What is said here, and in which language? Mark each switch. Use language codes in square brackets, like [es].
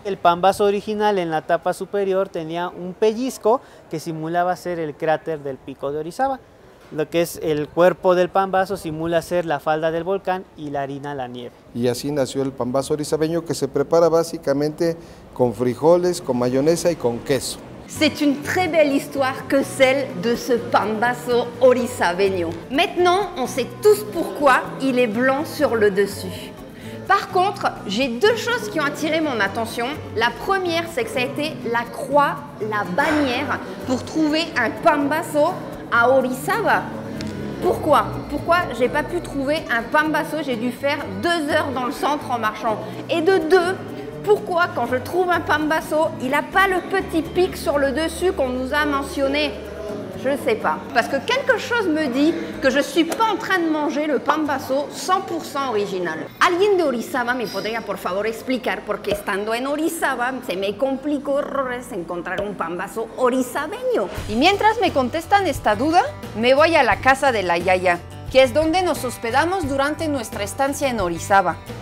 [es] El pambazo original en la tapa superior tenía un pellizco que simulaba ser el cráter del pico de Orizaba. Lo que es el cuerpo del pambazo simula ser la falda del volcán y la harina la nieve. Y así nació el pambazo orizabeño, que se prepara básicamente con frijoles, con mayonesa y con queso. [fr] C'est une très belle histoire que celle de ce pambazo orizabeño. Maintenant, on sait tous pourquoi il est blanc sur le dessus. Par contre, j'ai 2 choses qui ont attiré mon attention. La première, c'est que ça a été la croix, la bannière pour trouver un pambazo à Orizaba. Pourquoi j'ai pas pu trouver un pambazo, j'ai dû faire 2 heures dans le centre en marchant. Et de 2, pourquoi quand je trouve un pambazo, il a pas le petit pic sur le dessus qu'on nous a mentionné? Je sais pas, parce que quelque chose me dit que je suis pas en train de manger le pambazo 100% original. [es] Alguien de Orizaba me podría por favor explicar por qué estando en Orizaba se me complicó horrores encontrar un pambazo orizabeño. Y mientras me contestan esta duda, me voy a la casa de la Yaya, que es donde nos hospedamos durante nuestra estancia en Orizaba.